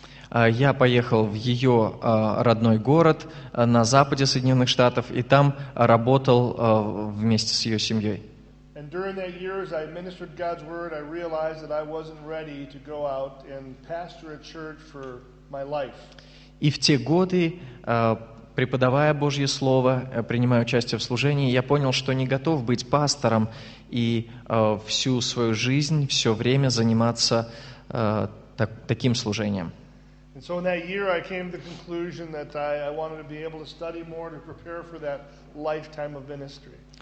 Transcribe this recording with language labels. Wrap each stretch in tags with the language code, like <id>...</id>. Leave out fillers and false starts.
<ru>Я поехал в ее родной город на западе Соединенных Штатов и там работал вместе с ее семьей.</ru> <en>And during that year, as I ministered God's word, I realized that I wasn't ready to go out and pastor a church for my life.</en> <ru>И в те годы, преподавая Божье слово, принимая участие в служении, я понял, что не готов быть пастором и всю свою жизнь, все время заниматься таким служением.</ru> <en>And so in that year, I came to the conclusion that I wanted to be able to study more to prepare for that lifetime of ministry.</en>